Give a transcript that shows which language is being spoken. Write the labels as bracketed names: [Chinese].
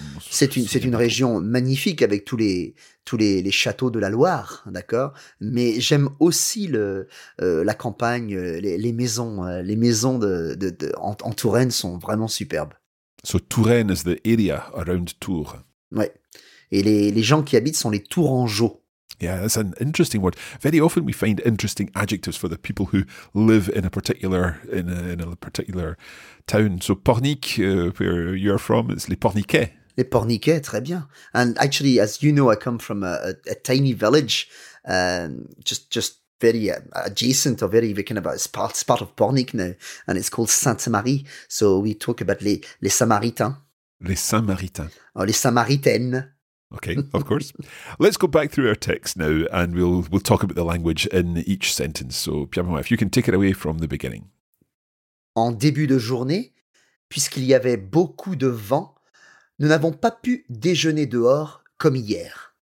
[French] C'est une région magnifique avec tous les châteaux de la Loire, d'accord. Mais j'aime aussi la campagne, les maisons en Touraine sont vraiment superbes. [English] So Touraine is the area around Tours. [French] Ouais. Et les gens qui habitent sont les Tourangeaux. [English] Yeah, that's an interesting word. Very often we find interesting adjectives for the people who live in a particular town. So Pornic, where you're from, it's Les Porniquets. [French] Les Porniquets, très bien. [English] And actually, as you know, I come from a tiny village, just very adjacent or very kind of it's part of Pornic now, and it's called Sainte-Marie. So we talk about les Samaritains. [French] Les Samaritains. [English] Or les Samaritaines. Okay, of course. Let's go back through our text now, and we'll talk about the language in each sentence. So, Pierre-Benoît, if you can take it away from the beginning. [French] En début de journée, puisqu'il y avait beaucoup de vent, nous n'avons pas pu déjeuner dehors comme hier.